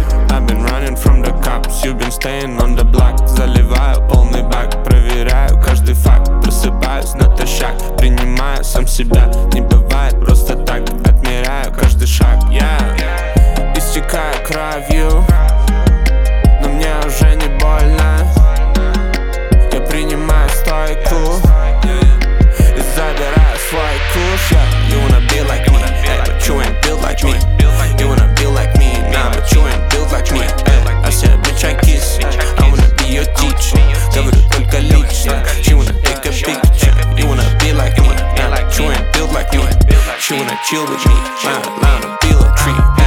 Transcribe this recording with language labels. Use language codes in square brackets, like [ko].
[en] I've been running from the cops, you've been staying on the block. [ru] Заливаю полный бак, проверяю каждый факт. Просыпаюсь натощак, принимаю сам себя. Не бывает просто так, отмеряю каждый шаг. Я истекаю кровью, но мне уже не больно. Я принимаю стойку и забираю свой куш. [en] You wanna be like me, hey, but you ain't built like me. You wanna be like me, nah, but you ain't built like me, hey. I said, bitch, I kiss, I wanna be your teacher. [ru] Говорю только лично, [en] she wanna take a picture. You wanna be like me, nah, but you ain't built like me. She wanna chill with me, lie on a pillow tree.